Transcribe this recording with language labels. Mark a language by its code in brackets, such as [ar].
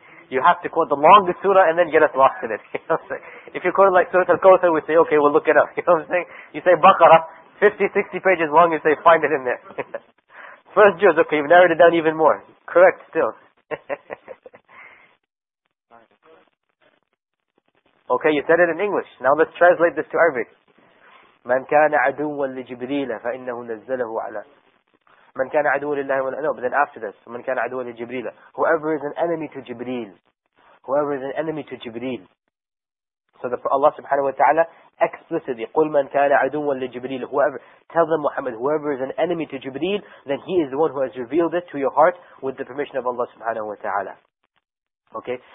[en] You have to quote the longest surah and then get us lost in it. If you quote like Surah Al-Kawthar, we say, okay, we'll look it up. You know what I'm saying? You say Baqarah, 50, 60 pages long, you say, find it in there. First Juz, okay, you've narrowed it down even more. Correct, still. Okay, you said it in English. Now let's translate this to Arabic. [ar] مَنْ كَانَ عَدُوًا لِجِبْرِيلَ فَإِنَّهُ نَزَّلَهُ عَلَىٰ مَنْ كَانَ عَدُوًا لِلَّهِ وَلَىٰ [en] No, but then after this, [ar] مَنْ كَانَ عَدُوًا لِجِبْرِيلَ [en] Whoever is an enemy to Jibreel. Whoever is an enemy to Jibreel. So that for Allah subhanahu wa ta'ala, explicitly, [ar] قُلْ مَنْ كَانَ عَدُوًا لِجِبْرِيلَ [en] Whoever, tell them Muhammad, whoever is an enemy to Jibreel, then he is the one who has revealed it to your heart with the permission of Allah subhanahu wa ta'ala. Okay.